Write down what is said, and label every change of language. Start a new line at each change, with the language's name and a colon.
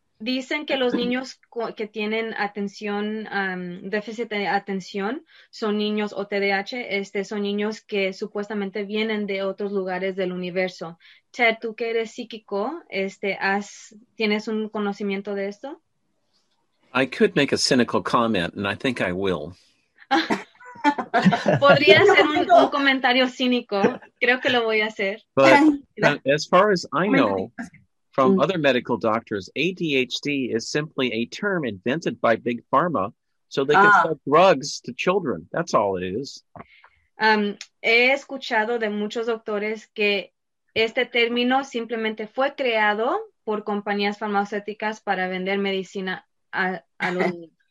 Spanish: Dicen que los niños que tienen atención, déficit de atención, son niños o TDAH, son niños que supuestamente vienen de otros lugares del universo. Ted, tú que eres psíquico, ¿tienes un conocimiento de esto?
English: I could make a cynical comment, and I think I will.
Spanish: Podría ser un comentario cínico. Creo que lo voy a hacer.
English: But as far as I know, from other medical doctors, ADHD is simply a term invented by Big Pharma so they can sell drugs to children. That's all it is.
Spanish: He escuchado de muchos doctores que este término simplemente fue creado por compañías farmacéuticas para vender medicina a los niños.